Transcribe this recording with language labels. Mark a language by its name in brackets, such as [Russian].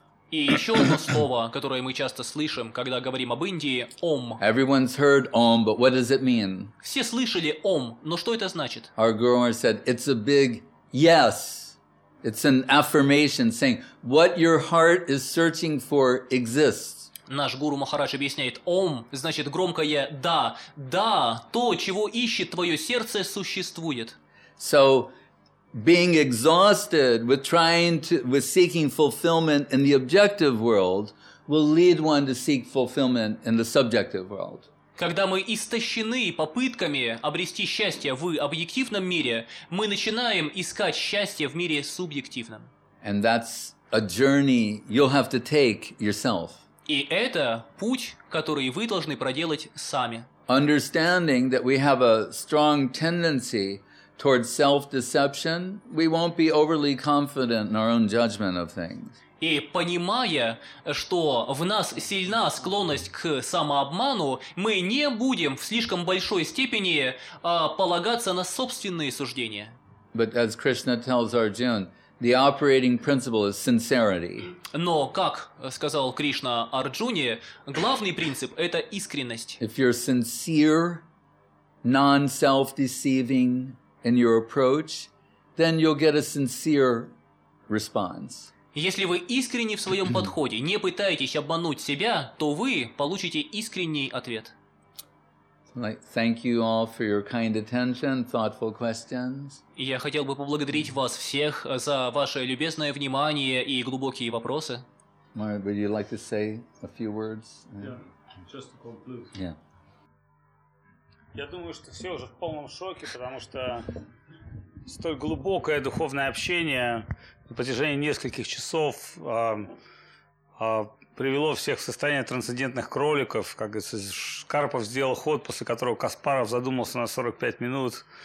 [Russian] И еще одно слово, которое мы часто слышим, когда говорим об Индии, Om. [English] Everyone's heard Om, but what does it mean? [Russian] Все слышали Om, но что это значит? [English] Our Guru said, it's a big yes. It's an affirmation saying what your heart is searching for exists. [Russian] Наш гуру Махарадж объясняет: Ом значит громкое да, да, то, чего ищет твое сердце, существует. [English] So, being exhausted with seeking fulfillment in the objective world will lead one to seek fulfillment in the subjective world. [Russian] Когда мы истощены попытками обрести счастье в объективном мире, мы начинаем искать счастье в мире субъективном. [English] And that's a journey you'll have to take yourself. [Russian] И это путь, который вы должны проделать сами. [English] Understanding that we have a strong tendency towards self-deception, we won't be overly confident in our own judgment of things. [Russian] И понимая, что в нас сильна склонность к самообману, мы не будем в слишком большой степени полагаться на собственные суждения. [English] But as Krishna tells Arjuna, the operating principle is sincerity. [Russian] Но, как сказал Кришна Арджуне, главный принцип – это искренность. [English] If you're sincere, non-self-deceiving in your approach, then you'll get a sincere response. [Russian] Если вы искренни в своем подходе, не пытаетесь обмануть себя, то вы получите искренний ответ. [English] Thank you all for your kind attention, thoughtful questions. [Russian] Я хотел бы поблагодарить вас всех за ваше любезное внимание и глубокие вопросы. [English] Mark, would you like to say a few words? Yeah, just to conclude. Yeah. [Russian] Я думаю, что все уже в полном шоке, потому что столь глубокое духовное общение на протяжении нескольких часов привело всех в состояние трансцендентных кроликов. Как говорится, Карпов сделал ход, после которого Каспаров задумался на 45 минут.